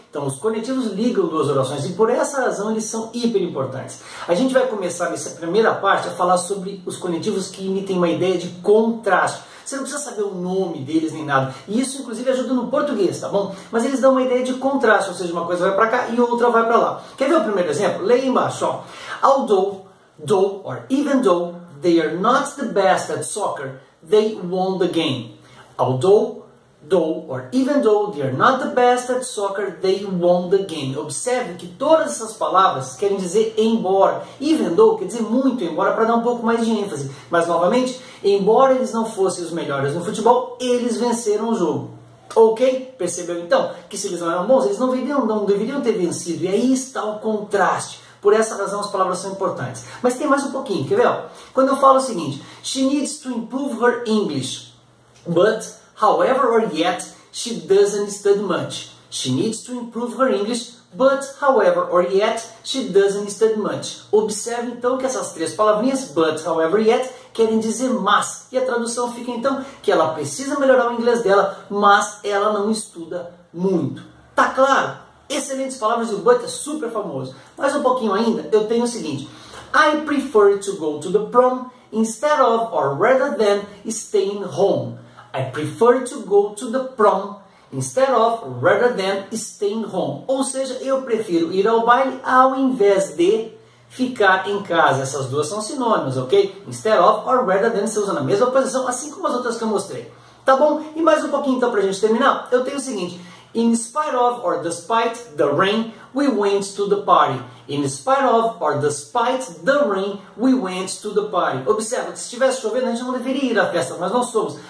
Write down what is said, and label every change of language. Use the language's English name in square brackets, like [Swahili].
[Portuguese] Então, os conectivos ligam duas orações e por essa razão eles são hiper importantes. A gente vai começar nessa primeira parte a falar sobre os conectivos que emitem uma ideia de contraste. Você não precisa saber o nome deles nem nada. E isso, inclusive, ajuda no português, tá bom? Mas eles dão uma ideia de contraste, ou seja, uma coisa vai pra cá e outra vai pra lá. Quer ver o primeiro exemplo? Leia embaixo, ó. [English] Although, though, or even though they are not the best at soccer, they won the game. Although, though, or even though they are not the best at soccer, they won the game. [Portuguese] Observe que todas essas palavras querem dizer embora. Even though quer dizer muito embora, para dar um pouco mais de ênfase. Mas, novamente, embora eles não fossem os melhores no futebol, eles venceram o jogo. Ok? Percebeu, então, que se eles não eram bons, eles não deveriam ter vencido. E aí está o contraste. Por essa razão, as palavras são importantes. Mas tem mais um pouquinho, quer ver? Quando eu falo o seguinte, [English] she needs to improve her English, but, however or yet, she doesn't study much. She needs to improve her English, but, however or yet, she doesn't study much. [Portuguese] Observe, então, que essas três palavrinhas, but, however, yet, querem dizer mas. E a tradução fica, então, que ela precisa melhorar o inglês dela, mas ela não estuda muito. Tá claro? Excelentes palavras, o but é super famoso. Mais um pouquinho ainda, eu tenho o seguinte. [English] I prefer to go to the prom instead of or rather than staying home. I prefer to go to the prom instead of or rather than staying home. [Portuguese] Ou seja, eu prefiro ir ao baile ao invés de ficar em casa. Essas duas são sinônimas, ok? Instead of or rather than, você usa na mesma posição, assim como as outras que eu mostrei. Tá bom? E mais um pouquinho então pra gente terminar. Eu tenho o seguinte. [English] In spite of or despite the rain, we went to the party. In spite of or despite the rain, we went to the party. [Portuguese] Observe que se estivesse chovendo, a gente não deveria ir à festa, mas nós fomos.